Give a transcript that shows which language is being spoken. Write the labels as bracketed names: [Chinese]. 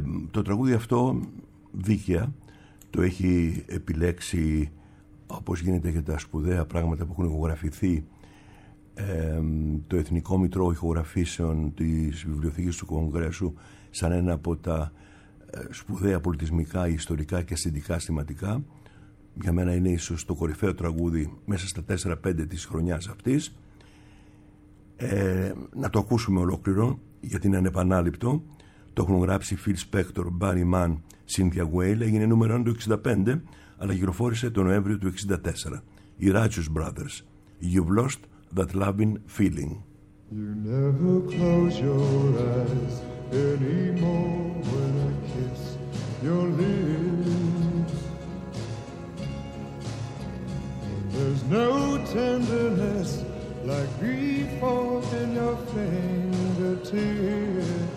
[Greek] Το τραγούδι αυτό δίκαια το έχει επιλέξει, όπως γίνεται και τα σπουδαία πράγματα που έχουν ηχογραφηθεί, το Εθνικό Μητρό Ηχογραφήσεων της Βιβλιοθήκης του Κογκρέσου, σαν ένα από τα σπουδαία πολιτισμικά, ιστορικά και συντικά σημαντικά. Για μένα είναι ίσως το κορυφαίο τραγούδι μέσα στα 4-5 της χρονιάς αυτής. Να το ακούσουμε ολόκληρο, γιατί είναι ανεπανάληπτο. Το έχουν γράψει Phil Spector, Barry Mann, Cynthia Whale. Έγινε νούμερο 1 το 65, αλλά κυκλοφόρησε το Νοέμβριο του 64. Οι Righteous Brothers. You've lost that loving feeling. [English] You never close your eyes anymore when I kiss your lips. There's no tenderness like grief falls in your fingertips.